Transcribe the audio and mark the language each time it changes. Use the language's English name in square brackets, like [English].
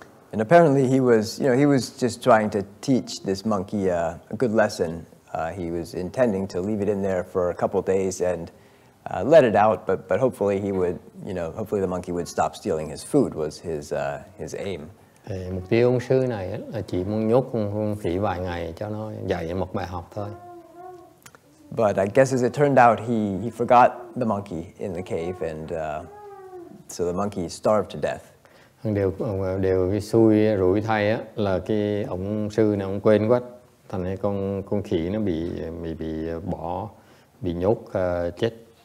[English] And apparently he was just trying to teach this monkey a good lesson. He was intending to leave it in there for a couple of days and let it out, but hopefully he would, hopefully the monkey would stop stealing his food was his aim. [Vietnamese] Mục tiêu ông sư này là chỉ muốn nhốt con khỉ vài ngày cho nó dạy một bài học thôi. [English] But I guess as it turned out, he forgot the monkey in the cave, and so the monkey starved to death. [Vietnamese] Điều cái xui rủi thay á là cái ông sư này ông quên quá, thành ra con khỉ nó bị nhốt chết.